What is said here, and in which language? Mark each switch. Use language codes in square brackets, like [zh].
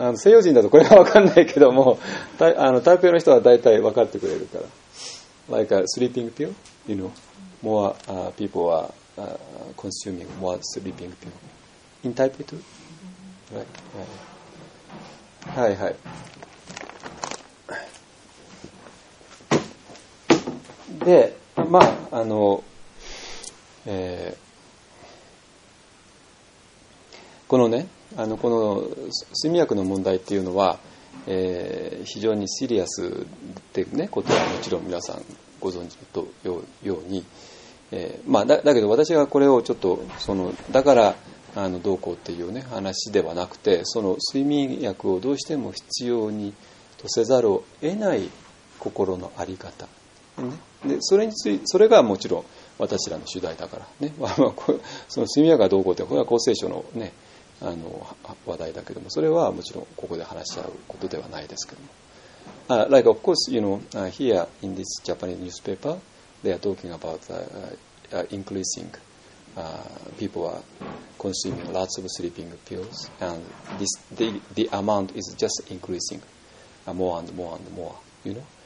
[ja] 西洋人だとこれが分かんないけども、台北の人は大体分かってくれるから。 [en] Like a sleeping pill, you know, more people are consuming more sleeping pill in Taipei too, right? [ja] はいはい。で、まあ、このね、この睡眠薬の問題っていうのは、非常にシリアスってね、ことはもちろん皆さんご存知のように、まあ、だけど私がこれをちょっとそのだからどうこうっていうね話ではなくて、その睡眠薬をどうしても必要にとせざるを得ない心のあり方、でそれがもちろん私らの主題だからね。その睡眠薬がどうこうって、これは厚生省のね、話題だけども、それはもちろんここで話し合うことではないですけども。 [en] Like, of course, you know, here in this Japanese newspaper, they are talking about increasing people are consuming lots of sleeping pills, and the amount is just increasing more and more and more, you know.